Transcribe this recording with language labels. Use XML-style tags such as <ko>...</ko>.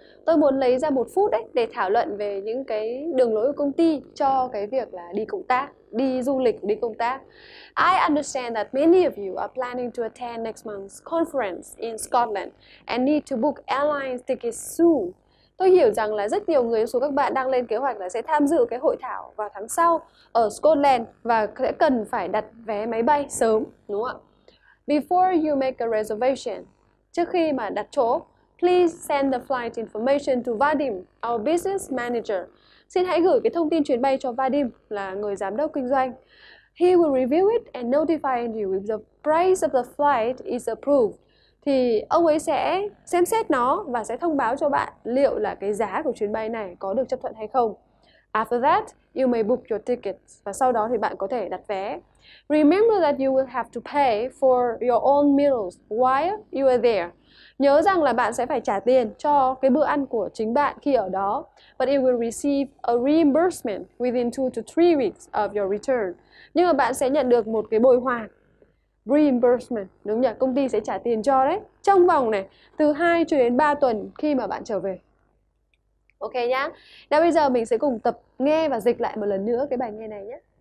<vi>Tôi muốn lấy ra một phút đấy để thảo luận về những cái đường lối của công ty cho cái việc là đi công tác, đi du lịch, đi công tác.</vi> <en>I understand that many of you are planning to attend next month's conference in Scotland and need to book airline tickets soon.</en> <vi>Tôi hiểu rằng là rất nhiều người, số các bạn đang lên kế hoạch là sẽ tham dự cái hội thảo vào tháng sau ở Scotland và sẽ cần phải đặt vé máy bay sớm, đúng không ạ?</vi> <en>Before you make a reservation,</en> <vi>trước khi mà đặt chỗ,</vi> <en>please send the flight information to Vadim, our business manager.</en> <vi>Xin hãy gửi cái thông tin chuyến bay cho Vadim, là người giám đốc kinh doanh.</vi> <en>He will review it and notify you if the price of the flight is approved.</en> <vi>Thì ông ấy sẽ xem xét nó và sẽ thông báo cho bạn liệu là cái giá của chuyến bay này có được chấp thuận hay không.</vi> <en>After that, You may book your tickets</en> <vi>và sau đó thì bạn có thể đặt vé.</vi> <en>Remember that you will have to pay for your own meals while you are there.</en> <vi>Nhớ rằng là bạn sẽ phải trả tiền cho cái bữa ăn của chính bạn khi ở đó.</vi> <en>But you will receive a reimbursement within 2 to 3 weeks of your return.</en> <vi>Nhưng mà bạn sẽ nhận được một cái bồi hoàn. Reimbursement, đúng nhỉ? Công ty sẽ trả tiền cho đấy. Trong vòng này, từ 2 cho đến 3 tuần khi mà bạn trở về. Ok nhá. Nào bây giờ mình sẽ cùng tập nghe và dịch lại một lần nữa cái bài nghe này nhé.</vi>